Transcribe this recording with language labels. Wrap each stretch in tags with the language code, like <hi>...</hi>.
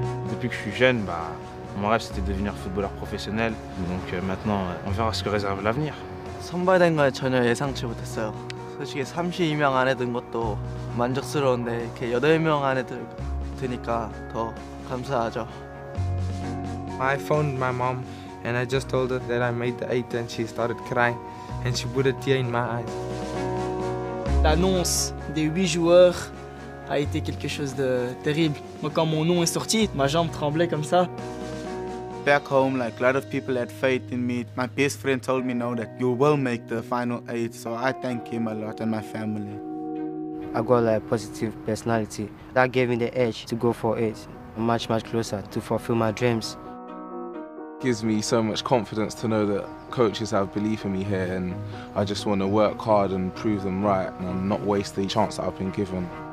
<fr>Depuis que je suis jeune, mon rêve c'était de devenir footballeur professionnel. Donc maintenant, on verra ce que réserve l'avenir.</fr> <ko>선발된 걸 전혀 예상치 못했어요. 솔직히 32명 안에 든 것도 만족스러운데 이렇게 8명 안에 드니까 더 감사하죠.</ko> <en>I phoned my mom and I just told her that I made the 8 and she started crying and she put a tear in my eyes.</en> <fr>L'annonce des 8 joueurs a été quelque chose de terrible. Moi, quand mon nom est sorti, ma jambe tremblait comme ça.</fr> <en>Back home, like a lot of people had faith in me. My best friend told me now that you will make the final 8, so I thank him a lot and my family. I got like a positive personality. That gave me the edge to go for it. I'm much, much closer to fulfill my dreams. Gives me so much confidence to know that coaches have belief in me here and I just want to work hard and prove them right and not waste the chance that I've been given.</en>